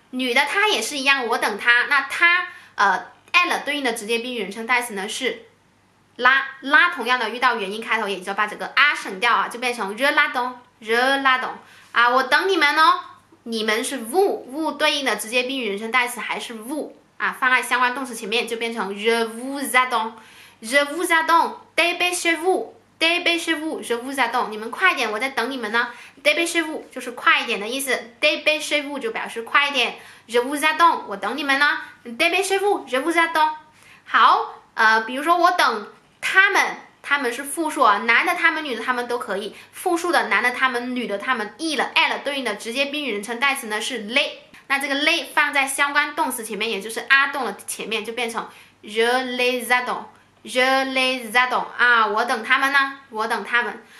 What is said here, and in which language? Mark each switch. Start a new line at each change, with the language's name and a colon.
Chinese: 女的她也是一样，我等她，那她elle 对应的直接宾语人称代词呢是 la， 同样的遇到元音开头也就把这个 a 省掉啊，就变成
French: je l'attends，
Chinese: je l'attends， 啊我等你们哦。你们是 vous 对应的直接宾语人称代词还是 vous 啊，放在相关动词前面就变成
French: je vous attends，
Chinese: je vous attends，
French: dépêchez vous，
Chinese: dépêchez vous， je vous attends， 你们快点，我在等你们呢。
French: dépêchez vous
Chinese: 就是快一点的意思， dépêchez vous 就表示快一点，
French: je vous attends，
Chinese: 我等你们呢， dépêchez vous， je vous attends。好，比如说我等他们，他们是复数啊，男的他们女的他们都可以，复数的男的他们女的他们 il 了 elle 对应的直接宾语人称代词呢是 les。那这个 les 放在相关动词前面，也就是 a 动的前面，就变成
French: je les attends,
Chinese: je les attends 啊，我等他们呢，我等他们。